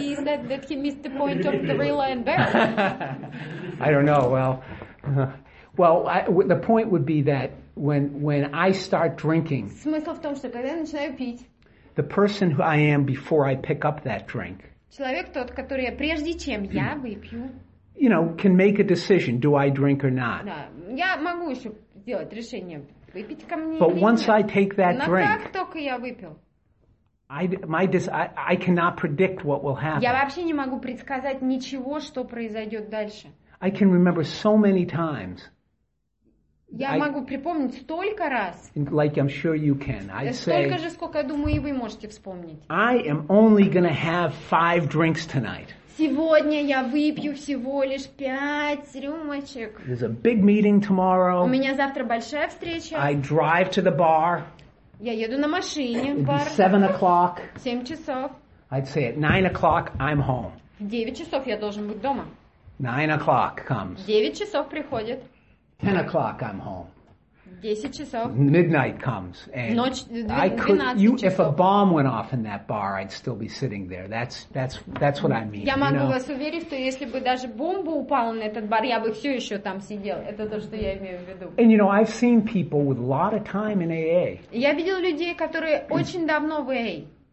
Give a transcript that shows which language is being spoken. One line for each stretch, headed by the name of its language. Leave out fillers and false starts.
English: He said that he missed the point of gorilla and bear. I don't know. Well, the point would be that when I start drinking.
Russian: Смысл в том, что когда я начинаю пить.
English: The person who I am before I pick up that drink.
Russian: Человек тот, который прежде чем я выпью.
English: You know, can make a decision, do I drink or not?
Russian: Да, я могу еще сделать решение, выпить ко мне.
English: But once I take that drink,
Russian: как только я выпил,
English: I cannot predict what will happen.
Russian: Я вообще не могу предсказать ничего, что произойдет дальше.
English: I can remember so many times.
Russian: Я могу припомнить столько раз.
English: Like I'm sure you can. I say.
Russian: Столько же, сколько я думаю, и вы можете вспомнить.
English: I am only gonna have 5 drinks tonight.
Russian: Сегодня я выпью всего лишь 5 рюмочек.
English: There's a big meeting tomorrow.
Russian: У меня завтра большая встреча.
English: I drive to the bar.
Russian: Я еду на машине в бар.
English: 7:00.
Russian: 7:00.
English: I'd say at 9:00 I'm home.
Russian: В 9:00 я должен быть дома.
English: 9:00 comes.
Russian: 9:00 приходит.
English: 10:00 I'm home.
Russian: 10:00.
English: Midnight comes. And I could, if a bomb went off in that bar, I'd still be sitting there. That's what I mean.
Russian: Я могу,
English: you know,
Russian: вас уверить, что если бы даже бомба упала на этот бар, я бы все еще там сидел. Это то, что я имею в виду.
English: And you know, I've seen people with a lot of time in AA.
Russian: Я видел людей, которые очень давно в AA.